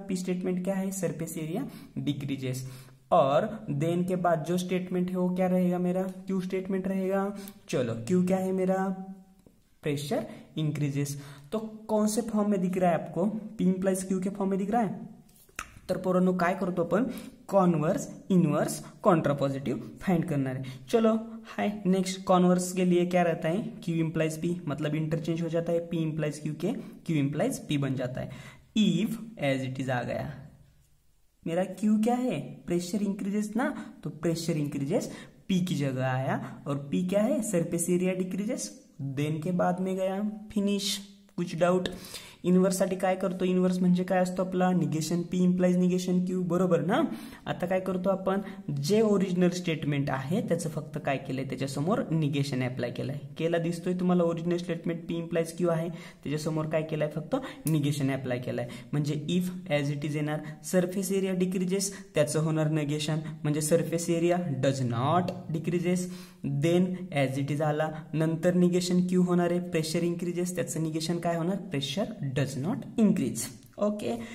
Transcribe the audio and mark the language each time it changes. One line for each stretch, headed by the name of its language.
Hindi: P statement क्या है, surface area decreases, और देन के बाद जो स्टेटमेंट है वो क्या रहेगा मेरा, क्यू स्टेटमेंट रहेगा। चलो क्यू क्या है मेरा, प्रेशर इंक्रीजेस। तो कौन से फॉर्म में दिख रहा है आपको, पी इंप्लाइज क्यू के फॉर्म में दिख रहा है।
Marathi: तर पोरांनो काय करतो आपण, कॉन्वर्स इनवर्स कॉन्ट्रापॉजिटिव फाइंड करणार आहे।
Hindi: चलो हाय नेक्स्ट, कॉन्वर्स के लिए क्या रहता है, क्यू इंप्लाइज पी, मतलब इंटरचेंज हो जाता है, पी इंप्लाइज क्यू के, क्यू इंप्लाइज पी बन जाता है। इफ एज इट इज आ गया, मेरा क्यू क्या है, प्रेशर इंक्रीजेस ना, तो प्रेशर इंक्रीजेस पी की जगह आया, और पी क्या है, सरफेस एरिया डिक्रीजेस, देन के बाद में गया, फिनिश। कुछ डाउट,
Marathi: इनवर्स साठी काय करतो, इनवर्स म्हणजे काय असतो आपला, negation P implies negation Q, बरोबर ना। आता काय करतो आपण, जे ओरिजिनल स्टेटमेंट आहे त्याचं फक्त काय केलंय, त्याच्यासमोर निगेशन अप्लाय केलंय, केला दिसतोय तुम्हाला, original statement P implies Q आहे, त्याच्यासमोर काय केलंय, फक्त निगेशन अप्लाय केलंय, म्हणजे इफ एज इट इज येणार, सर्फेस एरिया डिक्रीजेस, त्याचं होणार निगेशन, म्हणजे surface area does not decreases, then age it is आला, नंतर निगेशन क्यू होणार आहे, प्रेशर इंक्रीजेस, त्याचं निगेशन काय होणार, pressure does not increase, okay.